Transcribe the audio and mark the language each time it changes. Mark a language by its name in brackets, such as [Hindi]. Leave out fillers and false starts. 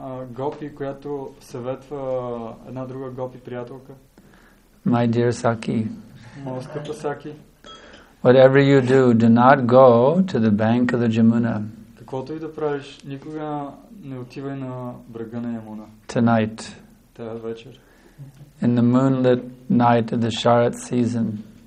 [Bulgarian] Гопи, която съветва една друга гопи приятелка. [English] My dear Saki. [Bulgarian] Моя скъпа Саки. [English] Whatever you do, do not go to the bank of the Jamuna. [Bulgarian] Каквото и да правиш, никога не отивай на брега на Ямуна. [English] Tonight. [Bulgarian] Тая вечер. [English] In the moonlit night of the Sharad season.